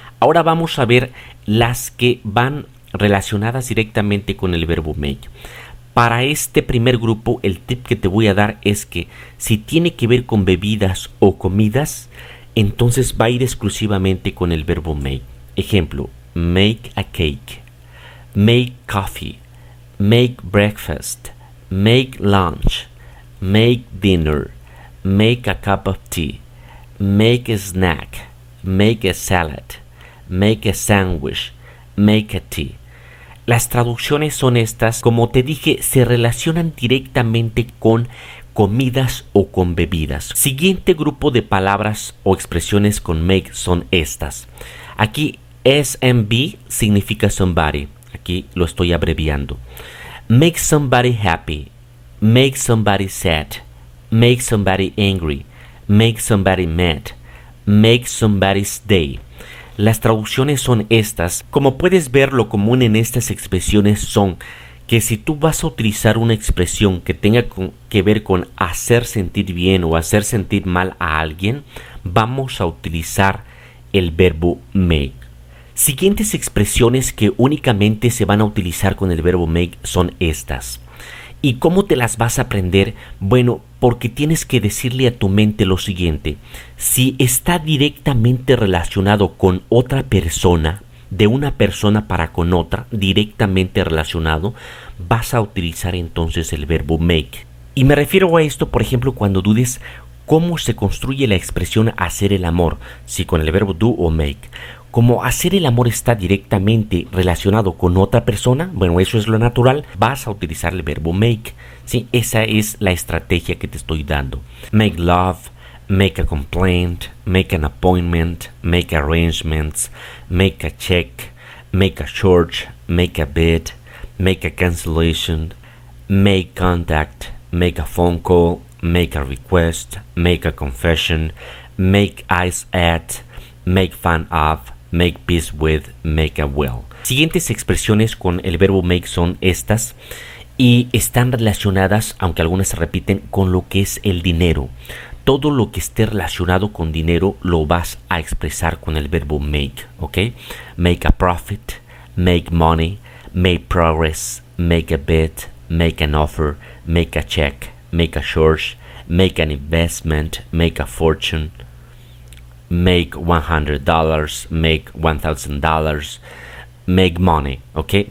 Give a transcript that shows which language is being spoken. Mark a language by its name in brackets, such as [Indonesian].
[Spanish] Ahora vamos a ver las que van relacionadas directamente con el verbo make. Para este primer grupo, el tip que te voy a dar es que si tiene que ver con bebidas o comidas, entonces va a ir exclusivamente con el verbo make. [English] Ejemplo, make a cake, make coffee, make breakfast, make lunch, make dinner, make a cup of tea, make a snack, make a salad, make a sandwich, make a tea. [Spanish] Las traducciones son estas, como te dije, se relacionan directamente con comidas o con bebidas. Siguiente grupo de palabras o expresiones con make son estas. Aquí SMB significa somebody. Aquí lo estoy abreviando. [English] Make somebody happy, make somebody sad, make somebody angry, make somebody mad, make somebody's day. [Spanish] Las traducciones son estas. Como puedes ver, lo común en estas expresiones son que si tú vas a utilizar una expresión que tenga que ver con hacer sentir bien o hacer sentir mal a alguien, vamos a utilizar el verbo make. Siguientes expresiones que únicamente se van a utilizar con el verbo make son estas. ¿Y cómo te las vas a aprender? Bueno, porque tienes que decirle a tu mente lo siguiente. Si está directamente relacionado con otra persona, de una persona para con otra, directamente relacionado, vas a utilizar entonces el verbo make. Y me refiero a esto, por ejemplo, cuando dudes cómo se construye la expresión hacer el amor, si con el verbo do o make. Como hacer el amor está directamente relacionado con otra persona, bueno, eso es lo natural, vas a utilizar el verbo make. Sí, esa es la estrategia que te estoy dando. [English] Make love, make a complaint, make an appointment, make arrangements, make a check, make a church, make a bed, make a cancellation, make contact, make a phone call, make a request, make a confession, make eyes at, make fun of, make peace with, make a will. [Spanish] Siguientes expresiones con el verbo make son estas y están relacionadas, aunque algunas se repiten, con lo que es el dinero. Todo lo que esté relacionado con dinero lo vas a expresar con el verbo make, ¿ok? [English] Make a profit, make money, make progress, make a bet, make an offer, make a check, make a church, make an investment, make a fortune, make $100, make $1,000, make money, ¿ok?